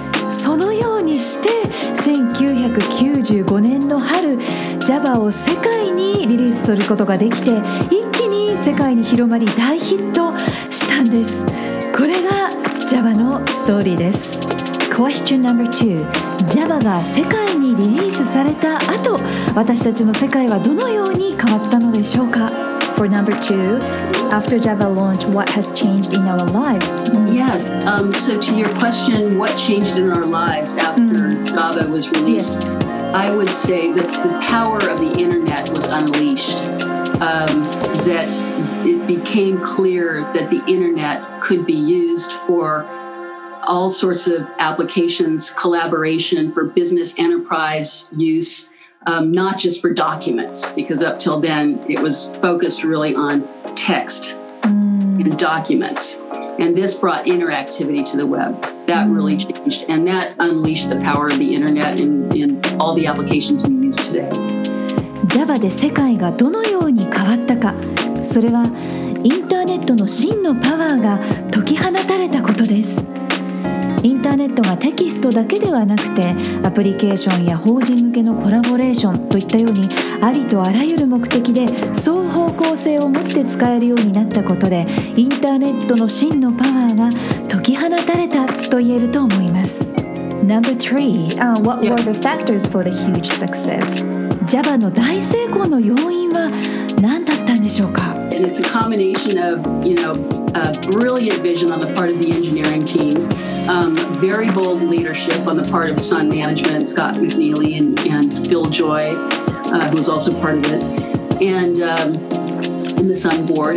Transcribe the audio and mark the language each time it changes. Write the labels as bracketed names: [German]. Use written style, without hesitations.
[Japanese] そのようにして1995年の春、 Java を世界にリリースすることができて、一気に世界に広まり大ヒットしたんです。これが Java のストーリーです。 [English] Question number two. [Japanese] Java が世界にリリースされた後、私たちの世界はどのように変わったのでしょうか? [English] For number two, after Java launch, what has changed in our life? Yes. So to your question, what changed in our lives after Java was released? Yes. I would say that the power of the internet was unleashed. That it became clear that the internet could be used for all sorts of applications, collaboration for business enterprise use, not just for documents, because up till then it was focused really on text and documents. And this brought interactivity to the web. That really changed, and that unleashed the power of the internet in all the applications we use today. [Japanese] Java で世界がどのように変わったか、それはインターネットの真のパワーが解き放たれたことです。インターネットがテキストだけではなくて、アプリケーションや法人向けのコラボレーションといったように、ありとあらゆる目的で双方向性を持って使えるようになったことで、インターネットの真のパワーが解き放たれたと言えると思います。 [English] Number three, what were the factors for the huge success? [Japanese] Java の大成功の要因は何だったんでしょうか? [English] And it's a combination of, you know, a brilliant vision on the part of the engineering team. Very bold leadership on the part of Sun Management, Scott McNeely and Bill Joy, who was also part of it, and the Sun board.